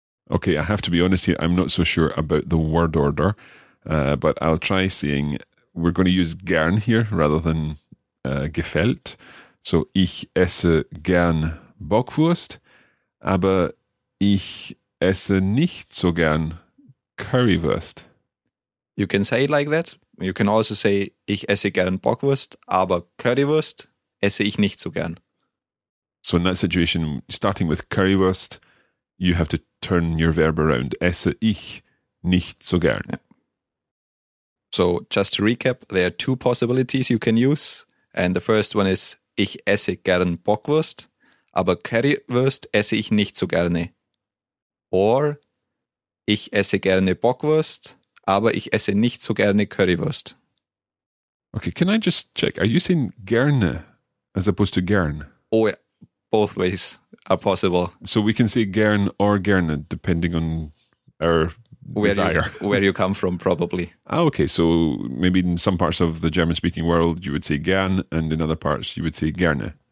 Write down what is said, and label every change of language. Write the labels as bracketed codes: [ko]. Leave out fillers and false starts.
[en] Okay, I have to be honest here. I'm not so sure about the word order, but I'll try saying we're going to use gern here rather than gefällt. [de] So ich esse gern Bockwurst, aber ich esse nicht so gern Currywurst. [en] You can say it like that. You can also say [de] ich esse gern Bockwurst, aber Currywurst esse ich nicht so gern. [en] So in that situation, starting with Currywurst, you have to turn your verb around. [de] Esse ich nicht so gern. Yeah. [en] So, just to recap, there are two possibilities you can use. And the first one is [de] ich esse gern Bockwurst, aber Currywurst esse ich nicht so gerne. Or ich esse gerne Bockwurst, aber ich esse nicht so gerne Currywurst. [en] Okay, can I just check? Are you saying gerne as opposed to gern? Oh, yeah. Both ways are possible. So we can say gern or gerne, depending on our where you come from, probably. Ah, okay, so maybe in some parts of the German-speaking world, you would say gern, and in other parts, you would say gerne.